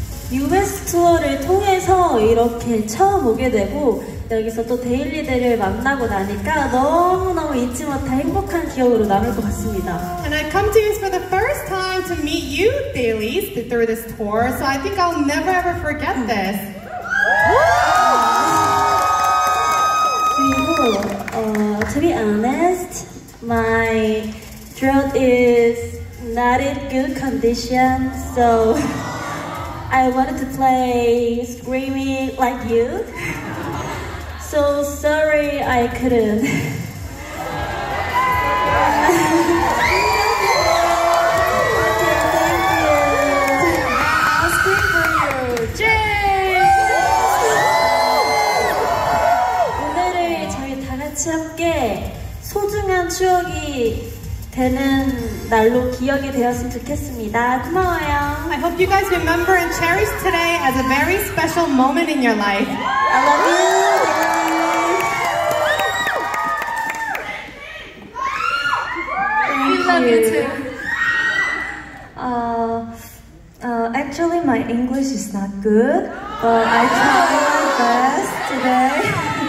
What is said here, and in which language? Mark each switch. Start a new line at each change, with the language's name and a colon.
Korean: US 투어를 통해서 이렇게 처음 오게 되고 여기서 또 데일리들을 만나고 나니까 너무너무 잊지 못할 행복한 기억으로 남을 것 같습니다.
English: And I come to you for the first time to meet you dailies through this tour, so I think I'll never ever forget this.
Korean: 그리고
English: to be honest, my throat is not in good condition, so I wanted to play screaming like you. So sorry I couldn't. Thank you. I'll scream for you. Yay!
Korean: 오늘을 저희 다 같이 함께 소중한 추억이 되는 날로 기억이 되었으면 좋겠습니다. 고마워요.
English: I hope you guys remember and cherish today as a very special moment in your life. I love you. English is not good, but I tried my best today.